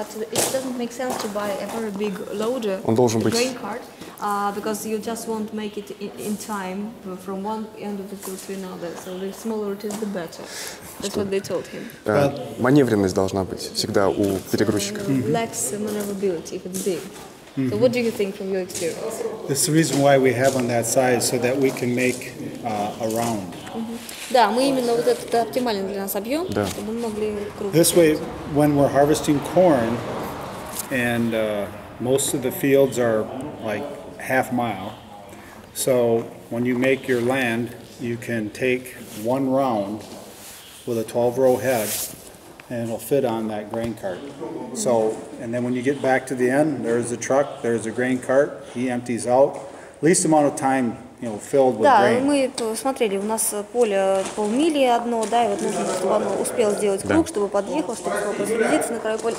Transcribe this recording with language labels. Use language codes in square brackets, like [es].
[en] It doesn't make sense to buy a very big loader, grain cart, because you just won't make it in time from one end of the field to another. So the smaller it is, the better. That's what they told him. [ru] Маневренность должна быть всегда у перегрузчика. [en] Lacks maneuverability if it's big. So what do you think from your experience? That's the reason why we have on that size, so that we can make a round. [ru] Да, мы именно вот этот оптимальный для нас объем, чтобы мы могли круг. [en] This way, when we're harvesting corn, and most of the fields are like half mile, so when you make your land, you can take one round with a 12-row head, and it'll fit on that grain cart. So, and then when you get back to the end, there's a truck, there's a grain cart, he empties out, least amount of time. [ru] Да, мы смотрели, у нас поле полмили одно, да, и вот нужно, чтобы оно успело сделать круг, чтобы подъехал, чтобы разгрузиться на краю поля.